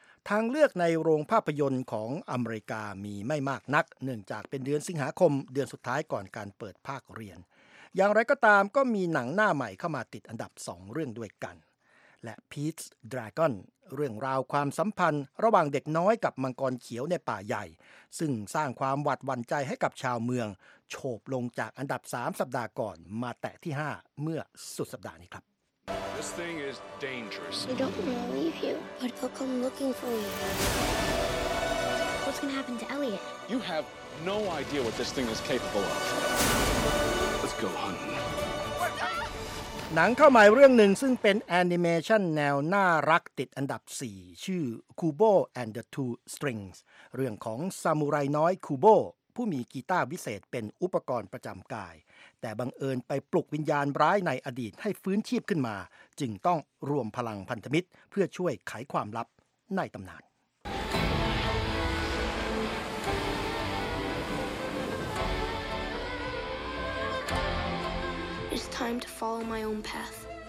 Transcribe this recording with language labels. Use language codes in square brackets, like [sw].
[th] ทางเลือกในโรงภาพยนตร์ของอเมริกามีไม่มากนักเนื่องจากเป็นเดือนสิงหาคมเดือนสุดท้ายก่อนการเปิดภาคเรียนอย่างไรก็ตามก็มีหนังหน้าใหม่เข้ามาติดอันดับ2เรื่องด้วยกันและ Pete's Dragon เรื่องราวความสัมพันธ์ระหว่างเด็กน้อยกับมังกรเขียวในป่าใหญ่ซึ่งสร้างความหวั่นใจให้กับชาวเมืองโฉบลงจากอันดับ3สัปดาห์ก่อนมาแตะที่5เมื่อสุดสัปดาห์นี้ครับ [en] This thing is dangerous. We don't want to leave you, but they'll come looking for you. What's going to happen to Elliot? You have no idea what this thing is capable of. Let's go hunting. [th] หนังเข้าใหม่เรื่องหนึ่งซึ่งเป็นแอนิเมชันแนวน่ารักติดอันดับ4ชื่อ Kubo and the Two Strings เรื่องของซามูไรน้อยคูโบ ผู้มีกีตาร์วิเศษเป็นอุปกรณ์ประจำกายแต่บังเอิญไปปลุกวิญญาณร้ายในอดีตให้ฟื้นชีพขึ้นมาจึงต้องรวมพลังพันธมิตรเพื่อช่วยไขความลับในตำนาน [en] It's time to follow my own path.